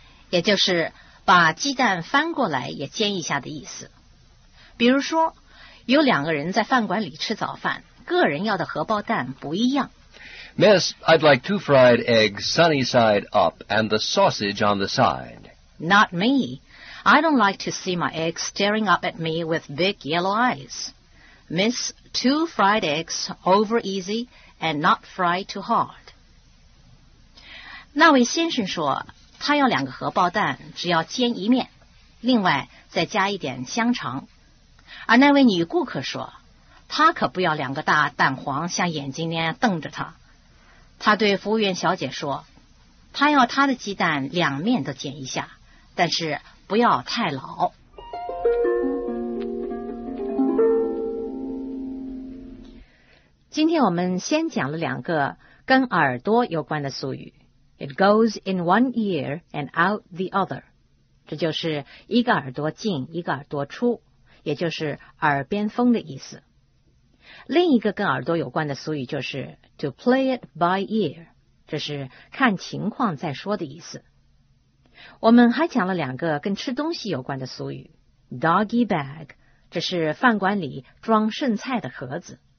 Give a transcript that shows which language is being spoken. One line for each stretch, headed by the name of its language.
Chinese: 也就是把鸡蛋翻过来也煎一下的意思。比如说，有两个人在饭馆里吃早饭，个人要的荷包蛋不一样。
English: Miss, I'd like two fried eggs sunny side up and the sausage on the side. Not me. I don't like to see my eggs staring up at me with big yellow eyes. Miss, two fried eggs over easy and not fried too hard.
Chinese: 那位先生说，他要两个荷包蛋，只要煎一面，另外再加一点香肠。而那位女顾客说，他可不要两个大蛋黄像眼睛那样瞪着他。他对服务员小姐说，他要他的鸡蛋两面都煎一下，但是不要太老。今天我们先讲了两个跟耳朵有关的俗语。
English: It goes in one ear and out the other.
Chinese: 这就是一个耳朵进一个耳朵出，也就是耳边风的意思。另一个跟耳朵有关的俗语就是
English: to play it by ear，
Chinese: 这是看情况再说的意思。我们还讲了两个跟吃东西有关的俗语， doggy bag， 这是饭馆里装剩菜的盒子。